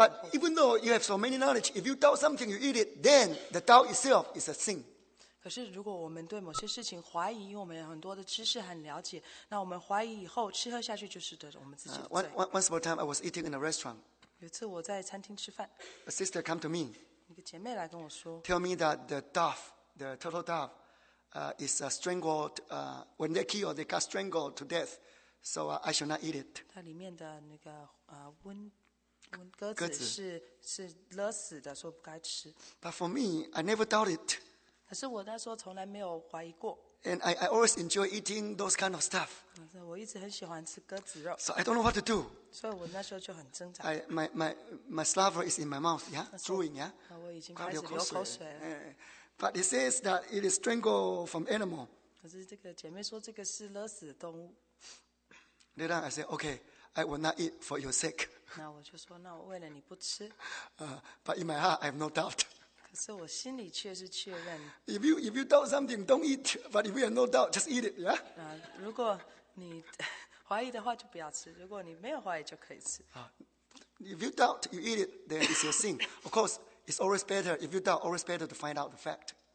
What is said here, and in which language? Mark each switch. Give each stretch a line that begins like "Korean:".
English: But even though you have so many knowledge, if you doubt something, you eat it, then the doubt itself is a sin.
Chinese: 可是如果我们对某些事情怀疑，我们有很多的知识和了解，那我们怀疑以后吃喝下去就是得我们自己的罪。
English: Once more time, I was eating in a restaurant.
Chinese: 有一次我在餐厅吃饭。
English: A sister come to me.
Chinese: 一个姐妹来跟我说,
English: Tell me that the dove, the turtle dove, is strangled, when they kill, they got strangled to death, so I should not eat it.
Chinese: 它里面的那个, 鸽子是, 是勒死的, 说不该吃。
English: But for me, I never doubt it.
Chinese: 可是我那时候从来没有怀疑过。
English: And I always enjoy eating those kind of stuff.
Chinese: 我一直很喜欢吃鸽子肉。
English: So I don't know what to do.
Chinese: 所以我那时候就很挣扎。
English: My saliva is in my mouth, yeah? Drawing, yeah?
Chinese: 我已经开始流口水了。
English: But it says that it is strangled from animal.
Chinese: 可是这个姐妹说这个是勒死的动物。
English: Later I said, okay, I will not eat for your sake.
Chinese: 那我就说，那我为了你不吃。
English: But in my heart, I have no doubt.
Chinese: 可是我心里却是确认。
English: If you doubt something, don't eat. But if you have no doubt, just eat it, yeah?
Chinese: 如果你 怀疑的话就不要吃，如果你没有怀疑就可以吃。
English: If you doubt, you eat it, then it's your sin. Of course, it's always better, if you doubt, always better to find out the fact.